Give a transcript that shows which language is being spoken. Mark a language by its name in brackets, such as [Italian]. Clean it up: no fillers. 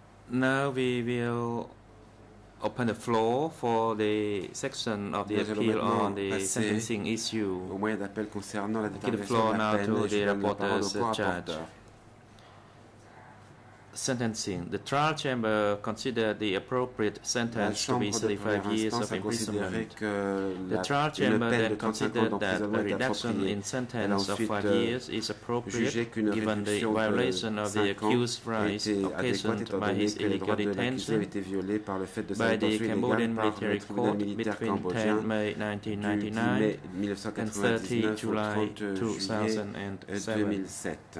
[English] Now we will open the floor for the section of the appeal on the sentencing issue. [French] Au moyen d'appel concernant la détermination de la peine, je vais donner la parole au co-rapporteur. [English] Sentencing. The trial chamber considered the appropriate sentence to be 35 years of imprisonment. The trial chamber then considered that a reduction in sentence of 5 years is appropriate given the violation of the accused rights occasioned by his illegal detention by the Cambodian military court between 10 May 1999 and 30 July 2007.